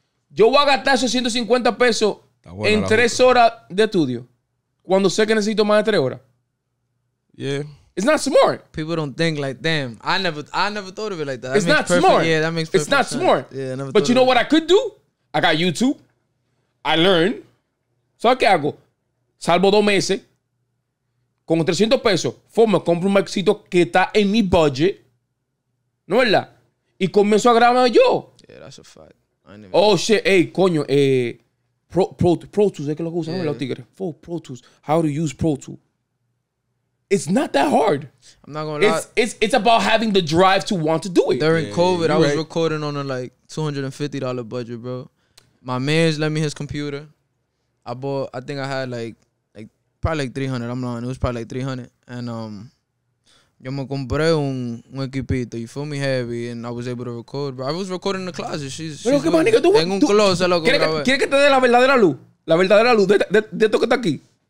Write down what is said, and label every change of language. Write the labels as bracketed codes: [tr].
[es] Yo voy a gastar esos 150 pesos en 3 horas de estudio. Cuando sé que necesito más de 3 horas. [en] Yeah. It's not smart. People don't think like, damn, I never thought of it like that. It's not smart. Yeah, that makes perfect sense. It's not smart. Yeah, never. But you know what I could do? I got YouTube. I learn. So, [es] ¿qué hago? Salvo 2 meses. Con 300 pesos, me compro un maxito que está en mi budget. ¿No es verdad? Y comienzo a grabar yo. [en] Yeah, that's a fact. Oh, shit. Hey, coño. Pro Tools. [es] ¿Qué es lo que usan los tigres? [en] For Pro Tools. How to use Pro Tools. It's not that hard. I'm not gonna lie. It's about having the drive to want to do it. During COVID, I was recording on a like $250 budget, bro. My man's lent me his computer. I think I had like probably like $300. I'm lying. It was probably like $300. [es] And yo me compré un equipito. [en] You feel me? Heavy, and I was able to record, bro. I was recording in the closet. She's [es] pero qué manica tú. Tengo un closet, loco. ¿Quieres que te dé la verdadera luz? La verdadera luz de esto que está aquí.